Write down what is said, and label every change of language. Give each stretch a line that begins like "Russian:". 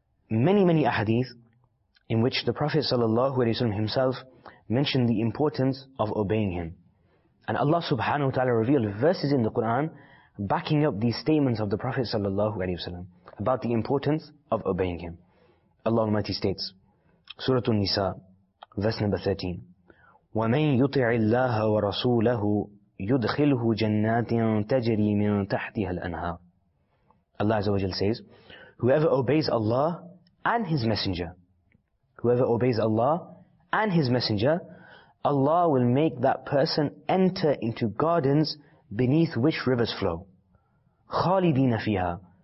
English: Many ahadith in which the Prophet sallallahu alayhi wasallam himself mentioned the importance of obeying him. And Allah subhanahu wa ta'ala revealed verses in the Quran backing up these statements of the Prophet sallallahu alayhi wasallam about the importance of obeying him. Allah Almighty states, Surah An-Nisa, verse number 13,
Arabic: وَمَنْ يُطِعِ اللَّهَ وَرَسُولَهُ يُدْخِلْهُ جَنَّاتٍ تَجْرِي مِنْ تَحْتِهَا الْأَنْهَارِ.
English: Allah Azza wa Jal says, whoever obeys Allah and His Messenger, whoever obeys Allah and His Messenger, Allah will make that person enter into gardens beneath which rivers flow.
Arabic: خَالِدِينَ فِيهَا.